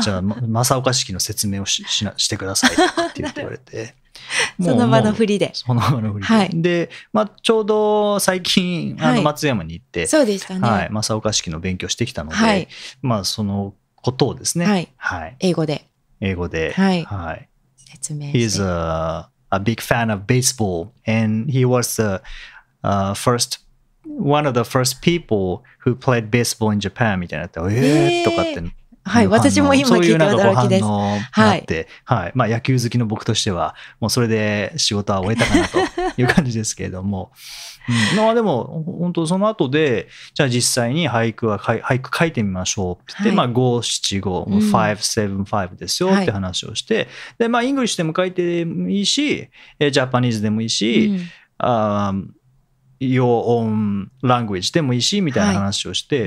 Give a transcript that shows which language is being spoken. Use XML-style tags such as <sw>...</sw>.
<ja>じゃあ正岡式の説明を してくださいって言って言われて、その場の振りで、その場の振りで、はい、で、まあ、ちょうど最近松山に行って、はい、そうでしたね、はい、正岡式の勉強してきたので、はい、まあ、そのことをですね、はいはい、英語で、はいはい、説明して、</ja> <en>He's a big fan of baseball and he was theone of the first people who played baseball in Japan</en> <ja>みたいなって、とかって、はい、私も今聞いた驚きです。そういうなんかご反応があって、はい、はい、まあ野球好きの僕としては、もうそれで仕事は終えたかなという感じですけれども、うん、まあでも、本当その後で、じゃあ実際に俳句書いてみましょうって言って、はい、まあ5、7、5、5、7、5ですよって話をして、うん、で、まあイングリッシュでも書いてもいいし、ジャパニーズでもいいし、うん、</ja> <en>Your own language</en> <ja>でもいいしみたいな話をして、はい、</ja>